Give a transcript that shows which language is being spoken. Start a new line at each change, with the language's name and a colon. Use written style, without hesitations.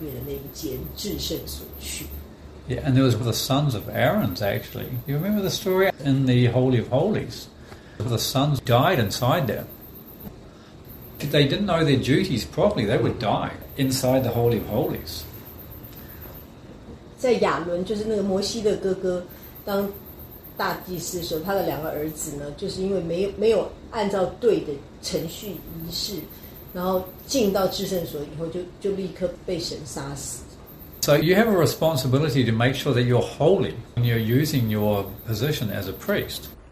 Chinese: 在旧约时代的这些祭司，他们是要带着那个血，动物的献祭的血，到至圣所，就是圣所里面的最里面的那一间至圣所去。
English: Yeah, and there was the sons of Aaron actually. You remember the story in the Holy of Holies? The sons died inside there. If they didn't know their duties properly, they would die inside the Holy of Holies.
Chinese: 在亚伦，就是那个摩西的哥哥，当大祭司的时候，他的两个儿子呢，就是因为没有按照对的程序仪式，然后进到至圣所以后，就立刻被神杀死。
English: So you have a responsibility to make sure that you're holy when you're using your position as a priest.